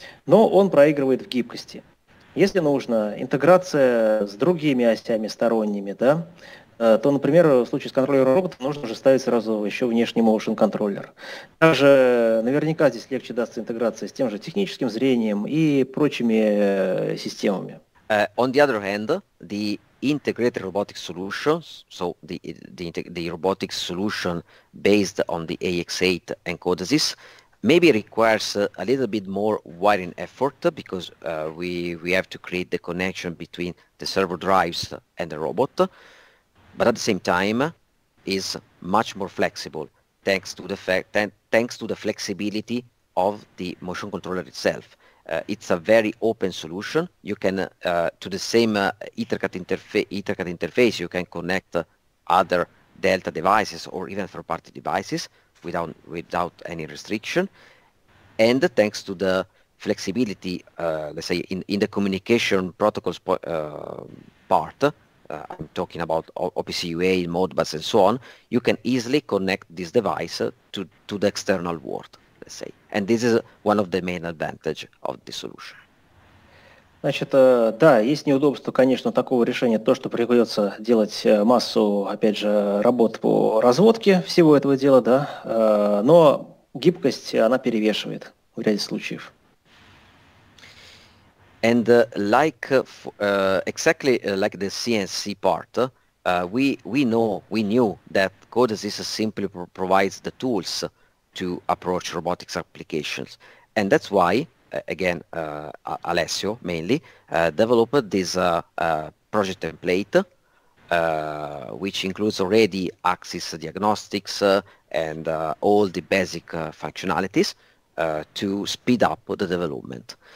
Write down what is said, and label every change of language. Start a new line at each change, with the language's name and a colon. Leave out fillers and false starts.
Russian: Но он проигрывает в гибкости. Если нужна интеграция с другими осями сторонними, да, то, например, в случае с контроллером робота нужно уже ставить сразу еще внешний motion контроллер. Также наверняка здесь легче дастся интеграция с тем же техническим зрением и прочими системами.
English: On the other hand, the integrated robotic solutions, so the robotic solution based on the AX8 and CODESYS, maybe requires a little bit more wiring effort because we have to create the connection between the servo drives and the robot. But at the same time, is much more flexible thanks to the flexibility of the motion controller itself. It's a very open solution. You can to the same EtherCAT interface. You can connect other Delta devices or even third-party devices without any restriction. And thanks to the flexibility, let's say in the communication protocols part. I'm talking about OPC UA, Modbus, and so on, you can easily connect this device to the external world, let's say. And this is one of the main advantages of the solution.
Russian: Значит, да, есть неудобство, конечно, такого решения, то, что приходится делать массу, опять же, работ по разводке всего этого дела, да, но гибкость, она перевешивает в ряде случаев.
English: And like the CNC part, we knew that CODESYS simply provides the tools to approach robotics applications, and that's why again Alessio mainly developed this project template, which includes already axis diagnostics and all the basic functionalities to speed up the development.